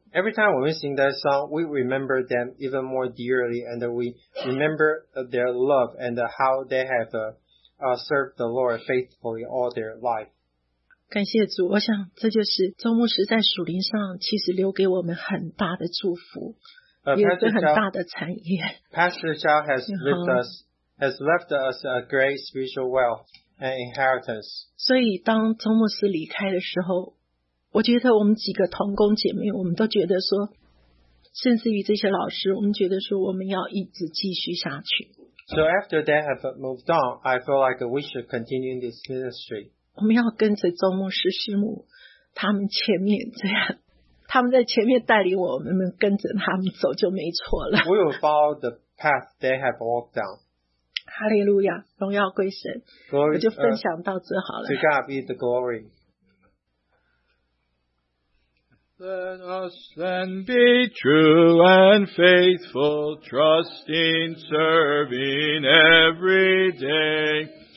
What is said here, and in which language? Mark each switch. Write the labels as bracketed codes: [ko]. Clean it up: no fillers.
[en] So, every time when we sing that song, we remember them even more dearly, and we remember their love and how they have served the Lord faithfully all their life. [zh] 感谢主，我想这就是周牧师在属灵上其实留给我们很大的祝福，有一个很大的产业。 [en] Pastor Chow has left us a great spiritual wealth and inheritance. [zh] 所以当周牧师离开的时候，我觉得我们几个同工姐妹，我们都觉得说，甚至于这些老师，我们觉得说我们要一直继续下去。 [en] So after they have moved on, I feel like we should continue this ministry. [zh] 我们要跟着周牧师师母他们前面这样，他们在前面带领我们，我们跟着他们走就没错了。 [en] We will follow the path they have walked down. [zh] 哈利路亚，荣耀归神。 [en] Glory, [zh] 我就分享到这好了。 [en] To God be the glory. Let us then be true and faithful, trusting, serving every day.